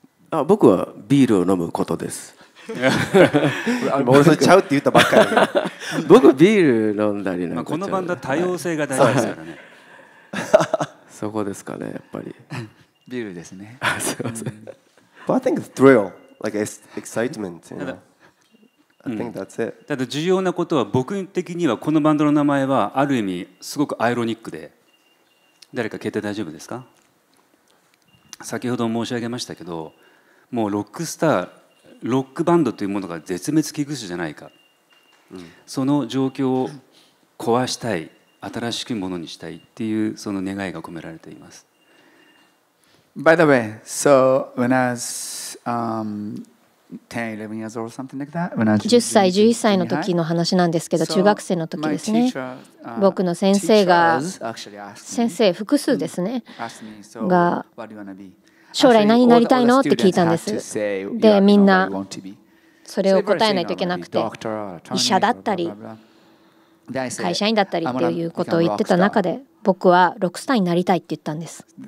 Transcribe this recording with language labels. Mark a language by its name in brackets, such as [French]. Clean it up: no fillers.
[Japanese] あ、僕はビールを飲むことです。もうそれちゃうって言ったばっかり僕ビール飲んだりなんか、まあ、このバンド多様性が大事ですからねそこですかねやっぱりビールですねすいません [English] But I think it's thrill like excitement you know? I think that's it、うん、 [Japanese] ただ重要なことは僕的にはこのバンドの名前はある意味すごくアイロニックで誰か携帯大丈夫ですか？先ほど申し上げましたけどもうロックスターロックバンドというものが絶滅危惧種じゃないか、うん、その状況を壊したい新しいものにしたいっていうその願いが込められています。 [English] By the way, so when I was 10, 11 years old or something like that, when I was [Japanese] 10歳11歳の時の話なんですけど、so、中学生の時ですね。僕の先生が先生複数ですね、が将来何になりたいのって聞いたんです。でみんなそれを答えないといけなくて医者だったり会社員だったりっていうことを言ってた中で僕はロックスターになりたいって言ったんです。